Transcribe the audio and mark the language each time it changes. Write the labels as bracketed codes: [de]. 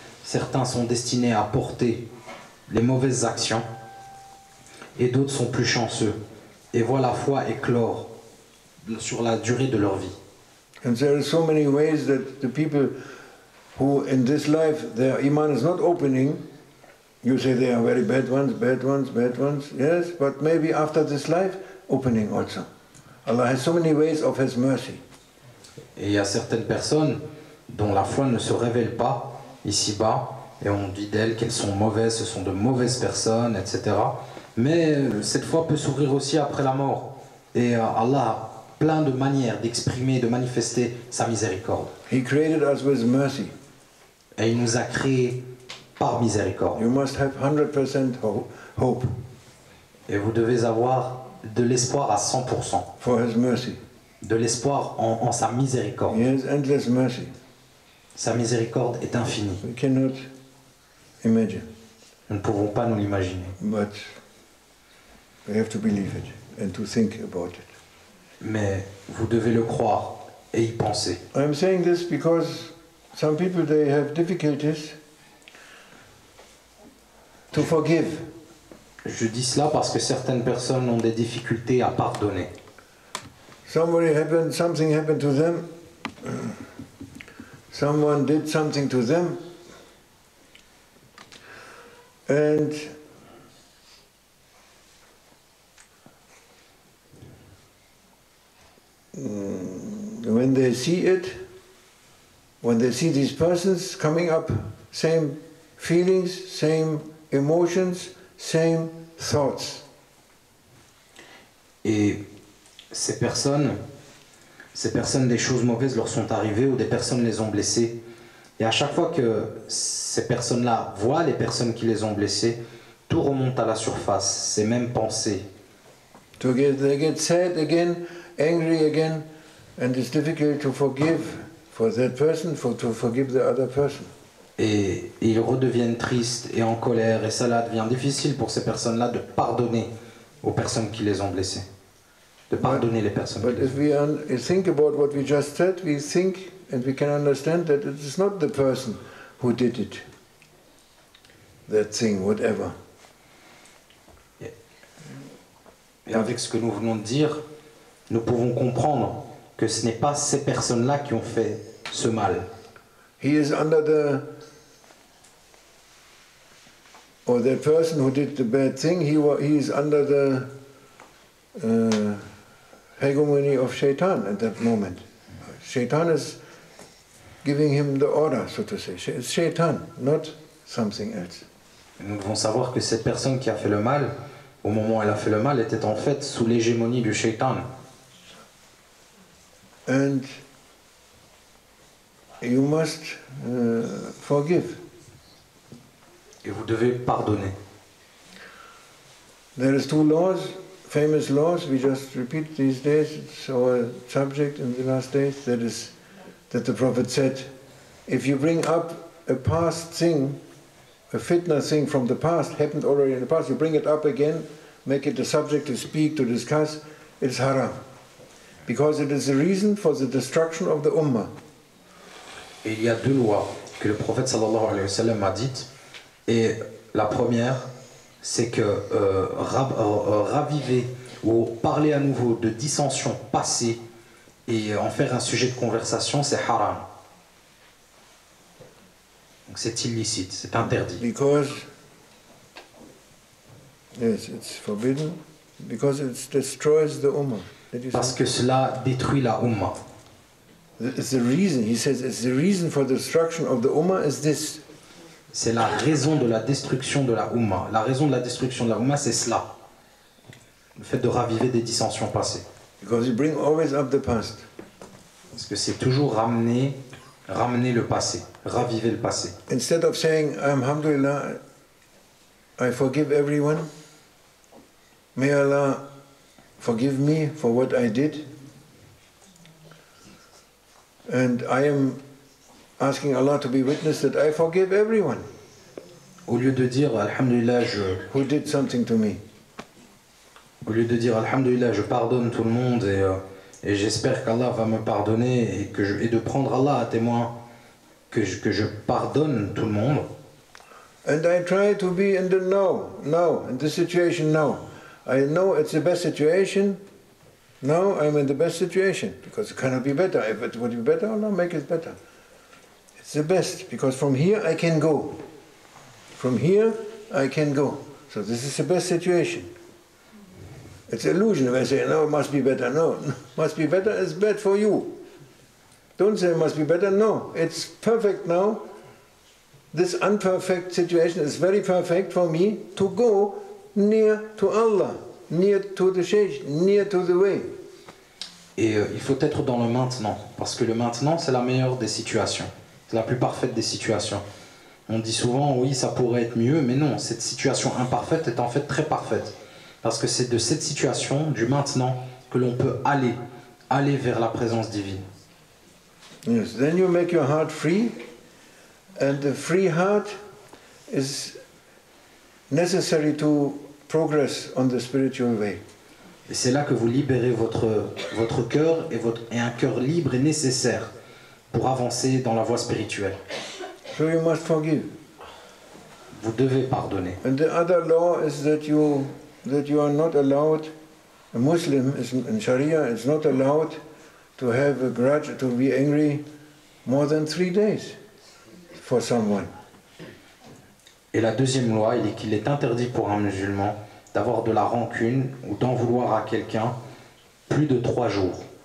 [fr] Certains sont destinés à porter les mauvaises actions, et d'autres sont plus chanceux et voient la foi éclore sur la durée de leur vie. [en] And there are so many ways that the people who in this life their iman is not opening, you say they are very bad ones, yes, but maybe after this life opening also. Allah has so many ways of His mercy. [fr] Et il y a certaines personnes dont la foi ne se révèle pas ici-bas, et on dit d'elles qu'elles sont mauvaises, ce sont de mauvaises personnes, etc. Mais cette foi peut s'ouvrir aussi après la mort. Et Allah a plein de manières d'exprimer, de manifester sa miséricorde. [en] He created us with mercy. [fr] Et il nous a créés par miséricorde. [en] You must have 100% hope. [fr] Et vous devez avoir de l'espoir à 100%. [en] For His mercy. [fr] De l'espoir en sa miséricorde. [en] Yes, endless mercy. [fr] Sa miséricorde est infinie. [en] We cannot imagine. [fr] Nous ne pouvons pas nous l'imaginer. [en] But we have to believe it and to think about it. [fr] Mais vous devez le croire et y penser. [en] I'm saying this because some people they have difficulties to forgive. [fr] Je dis cela parce que certaines personnes ont des difficultés à pardonner. [en] Something happened to them. Someone did something to them. And when they see it, when they see these persons coming up, same feelings, same emotions, same thoughts. [fr] Ces personnes, des choses mauvaises leur sont arrivées ou des personnes les ont blessées. Et à chaque fois que ces personnes-là voient les personnes qui les ont blessées, tout remonte à la surface, ces mêmes pensées. [en] They get sad again, angry again, and it's difficult to forgive for that person, to forgive the other person. [fr] Et ils redeviennent tristes et en colère, et cela devient difficile pour ces personnes-là de pardonner aux personnes qui les ont blessées. De pardonner les personnes. [en] But if we think about what we just said, we think and we can understand that it is not the person who did it, that thing, whatever. [fr] Et avec ce que nous venons de dire, nous pouvons comprendre que ce n'est pas ces personnes-là qui ont fait ce mal. [en] He is under the or that person who did the bad thing. He is under the hegemony of Shaitan at that moment. Shaitan is giving him the order, so to say. It's Shaitan, not something else. [fr] Et nous devons savoir que cette personne qui a fait le mal, au moment où elle a fait le mal, était en fait sous l'hégémonie du Shaitan. [en] And you must forgive. [fr] Et vous devez pardonner. [en] There is two laws, famous laws, we just repeat these days, it's our subject in the last days, that is, that the Prophet said, if you bring up a past thing, a fitna thing from the past, happened already in the past, you bring it up again, make it a subject to speak, to discuss, it's haram. Because it is the reason for the destruction of the ummah. [fr] Et il y a deux lois que le prophète [ar] sallallahu alayhi wa sallam [fr] a dites. Et la première, c'est que raviver ou parler à nouveau de dissensions passées et en faire un sujet de conversation, c'est haram. Donc c'est illicite, c'est interdit. [en] Because, yes, it's forbidden. Because it destroys the ummah. [fr] Parce que cela détruit la ummah. [en] The reason, he says, it's the reason for the destruction of the ummah is this. [fr] C'est la raison de la destruction de la ummah. La raison de la destruction de la ummah, c'est cela. Le fait de raviver des dissensions passées. [en] Because you bring always up the past. [fr] Parce que c'est toujours ramener le passé, raviver le passé. [en] Instead of saying, Alhamdulillah, I forgive everyone. May Allah forgive me for what I did. And I am asking Allah to be witness that I forgive everyone. [fr] Au lieu de dire Alhamdulillah, je [en] who did something to me. [fr] Au lieu de dire Alhamdulillah, je pardonne tout le monde et j'espère qu'Allah va me pardonner et de prendre Allah à témoin que je pardonne tout le monde. [en] And I try to be in the now, in this situation now. I know it's the best situation. Now I'm in the best situation because it cannot be better. If it would be better, or not, make it better. It's the best because from here I can go. From here I can go. So this is the best situation. It's an illusion if I say, no, it must be better. No, must be better is bad for you. Don't say it must be better. No, it's perfect now. This imperfect situation is very perfect for me to go near to Allah, near to the Sheikh, near to the way. [fr] Et il faut être dans le maintenant, parce que le maintenant, c'est la meilleure des situations. C'est la plus parfaite des situations. On dit souvent, oui, ça pourrait être mieux, mais non, cette situation imparfaite est en fait très parfaite. Parce que c'est de cette situation, du maintenant, que l'on peut aller vers la présence divine. [en] Yes, then you make your heart free, and the free heart is necessary to progress on the spiritual way. [fr] Et c'est là que vous libérez votre cœur et un cœur libre est nécessaire pour avancer dans la voie spirituelle. [en] So you must forgive. [fr] Vous devez pardonner. [en] And the other law is that you are not allowed, a Muslim is in Sharia is not allowed to have a grudge, to be angry more than 3 days for someone. [fr] Et la deuxième loi, il est qu'il est interdit pour un musulman d'avoir de la rancune ou d'en vouloir à quelqu'un plus de 3 jours.